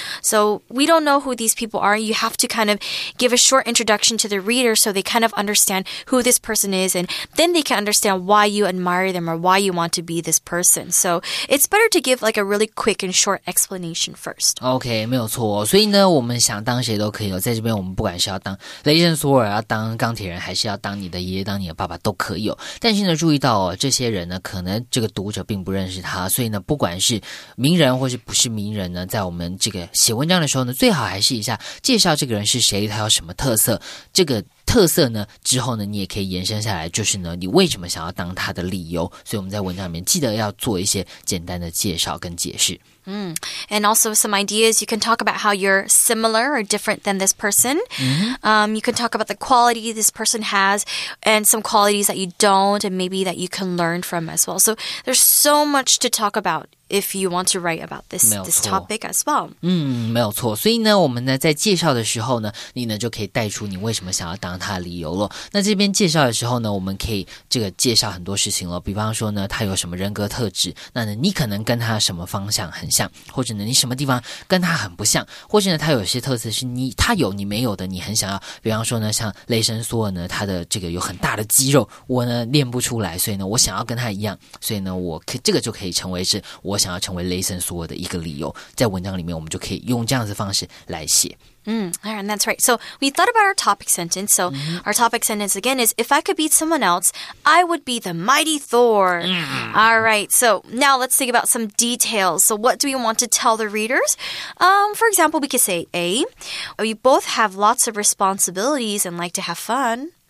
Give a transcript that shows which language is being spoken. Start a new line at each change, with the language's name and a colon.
English: So we don't know who these people are. You have to kind of give a short introduction to the reader so they kind of understand who this person is. And then they can understand why you admire them or why you want to be this person. So it's better to give like a really quick and short explanation first.
Chinese: Okay, 没有错。所以呢，我们想当谁都可以。在这边我们不管是要当雷神索尔，要当钢铁人，还是要当你的爷爷，当你的爸爸都可以。但是呢注意到、哦、这些人呢，可能这个读者并不认识他，所以呢，不管是名人或是不是名人呢，在我们这个写文章的时候呢，最好还是一下介绍这个人是谁，他有什么特色，这个特色呢之后呢，你也可以延伸下来，就是呢，你为什么想要当他的理由。所以我们在文章里面记得要做一些简单的介绍跟解释。
English: And also some ideas, you can talk about how you're similar or different than this person. Mm-hmm. You can talk about the quality this person has and some qualities that you don't and maybe that you can learn from as well. So there's so much to talk about if you want to write about this topic as well.
Chinese: 没有错。所以呢，我们呢在介绍的时候呢，你呢就可以带出你为什么想要当他的理由了。那这边介绍的时候呢，我们可以这个介绍很多事情了。比方说呢，他有什么人格特质，那呢你可能跟他什么方向很像，或者呢你什么地方跟他很不像，或者呢他有些特色是他有你没有的，你很想要。比方说呢，像雷神索尔呢，他的这个有很大的肌肉，我呢练不出来，所以呢我想要跟他一样，所以呢这个就可以成为是我想要成为雷神索尔的一个理由，在文章里面我们就可以用这样子的方式来写。
English: And that's right. So we thought about our topic sentence. So our topic sentence again is, if I could beat someone else, I would be the mighty Thor. All right. So now let's think about some details. So what do we want to tell the readers? For example, we could say, A, we both have lots of responsibilities and like to have fun.